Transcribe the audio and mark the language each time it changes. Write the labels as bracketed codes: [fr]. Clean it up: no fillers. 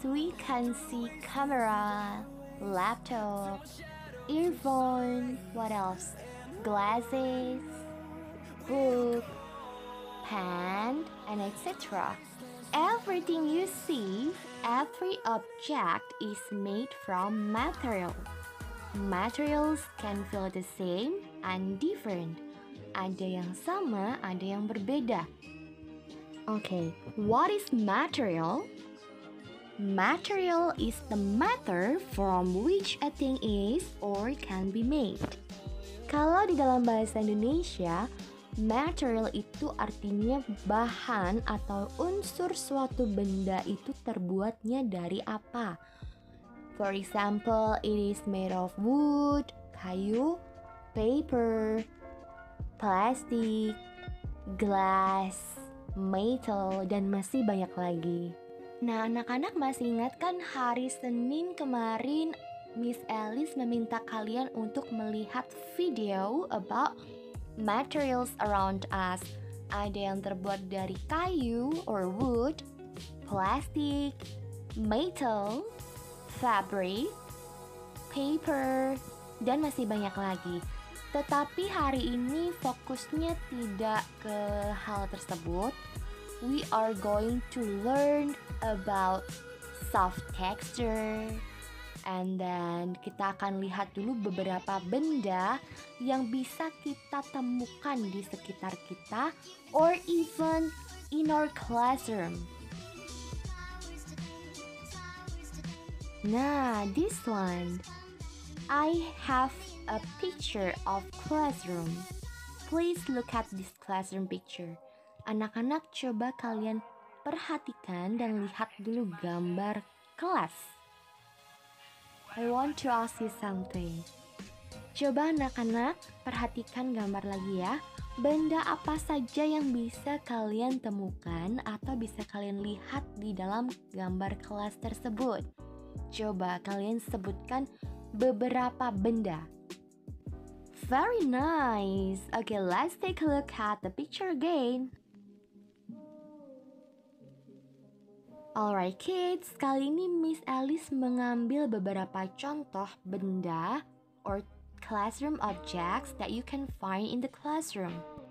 [en] We can see camera, laptop, earphone, what else? Glasses, book, pen, and etc. Everything you see, every object is made from material. Materials can feel the same and different. [id] Ada yang sama, ada yang berbeda. [en] Okay, what is material? Material is the matter from which a thing is or can be made. [id] Kalau di dalam bahasa Indonesia, material itu artinya bahan atau unsur suatu benda itu terbuatnya dari apa. [en] For example, it is made of wood, kayu, paper, plastic, glass, metal, [id] dan masih banyak lagi. Nah, anak-anak masih ingat kan hari Senin kemarin Miss Elisse meminta kalian untuk melihat video [en] about materials around us. [id] Ada yang terbuat dari kayu [en] or wood, plastic, metal, fabric, paper, [id] dan masih banyak lagi. Tetapi hari ini fokusnya tidak ke hal tersebut. [en] We are going to learn about soft texture. And then [id] kita akan lihat dulu beberapa benda yang bisa kita temukan di sekitar kita [en] or even in our classroom. Nah, this one. I have a picture of classroom. Please look at this classroom picture. [id] Anak-anak, coba kalian perhatikan dan lihat dulu gambar kelas. [en] I want to ask you something. [id] Coba anak-anak, perhatikan gambar lagi ya. Benda apa saja yang bisa kalian temukan atau bisa kalian lihat di dalam gambar kelas tersebut? Coba kalian sebutkan beberapa benda. [en] Very nice. Okay, let's take a look at the picture again. Alright kids, [id] kali ini Miss Elisse mengambil beberapa contoh benda [en] or classroom objects that you can find in the classroom.